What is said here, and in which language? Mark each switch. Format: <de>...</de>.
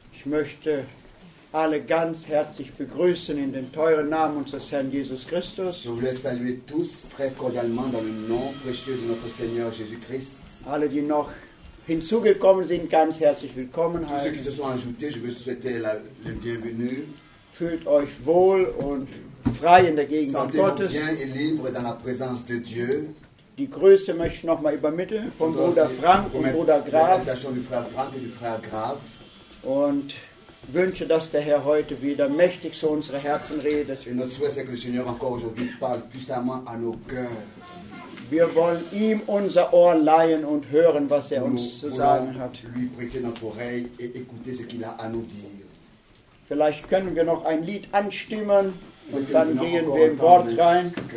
<de>möchte alle ganz herzlich begrüßen in den teuren Namen unseres Herrn Jesus Christus.</de> <fr>Je voulais saluer tous très cordialement dans le nom précieux de notre Seigneur Jésus Christ.</fr> <de>Alle, die noch hinzugekommen sind, ganz herzlich willkommen.</de> <fr>Tous ceux qui se sont ajoutés, je veux souhaiter la bienvenue.</fr> <de>Fühlt euch wohl und frei in der Gegenwart Gottes.</de> <fr>Sentez-vous bien et libre dans la présence de Dieu.</fr> <de>Die Grüße möchte ich nochmal übermitteln von Bruder Frank und Bruder Graf. Und wünsche, dass der Herr heute wieder mächtig zu unseren Herzen redet.</de> <fr>Et notre souhait, c'est que le Seigneur encore aujourd'hui parle puissamment à nos cœurs.</fr> <de>Wir wollen ihm unser Ohr leihen und hören, was er uns zu sagen hat.</de> <fr>Lui prêter notre oreille et écouter ce qu'il a à nous dire.</fr> <de>Vielleicht können wir noch ein Lied anstimmen und dann gehen wir im Wort rein.</de>